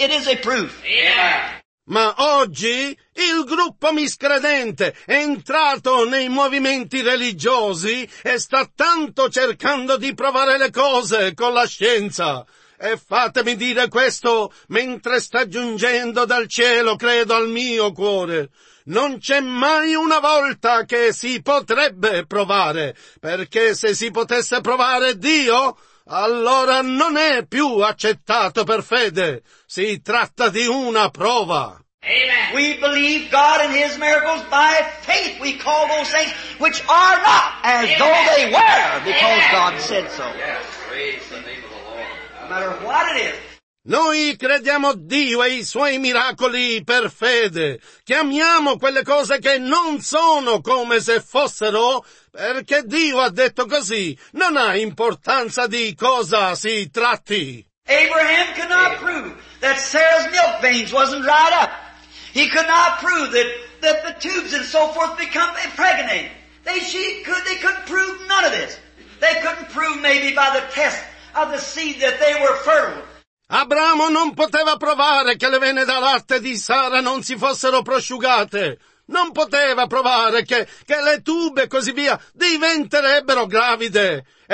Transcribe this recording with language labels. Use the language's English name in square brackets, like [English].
[English] It is a proof. Yeah. [Italian] Ma oggi il gruppo miscredente è entrato nei movimenti religiosi e sta tanto cercando di provare le cose con la scienza. E fatemi dire questo mentre sta giungendo dal cielo, credo, al mio cuore. Non c'è mai una volta che si potrebbe provare, perché se si potesse provare Dio, allora non è più accettato per fede. Si tratta di una prova. Amen. [English] We believe God and His miracles by faith. We call those things which are not as Amen. Though they were, because Amen. God said so. Yes, praise the name of the Lord. No matter what it is. [Italian] Noi crediamo Dio e i suoi miracoli per fede. Chiamiamo quelle cose che non sono come se fossero, perché Dio ha detto così. Non ha importanza di cosa si tratti. [English] Abraham could not prove that Sarah's milk veins wasn't dried up. He could not prove that the tubes and so forth become impregnated. They couldn't prove none of this. They couldn't prove maybe by the test of the seed that they were fertile. [Italian] Abramo non poteva provare che le vene da latte di Sara non si fossero prosciugate. Non poteva provare che le tube e così via diventerebbero gravide.